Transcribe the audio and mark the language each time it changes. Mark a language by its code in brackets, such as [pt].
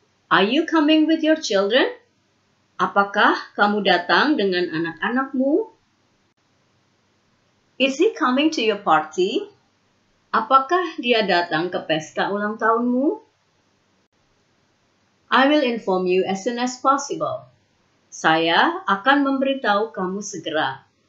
[en] Are you coming with your children? [id] Apakah kamu datang dengan anak-anakmu? [en] Is he coming to your party? [id] Apakah dia datang ke pesta ulang tahunmu? [en] I will inform you as soon as possible. [id] Saya akan memberitahu kamu segera.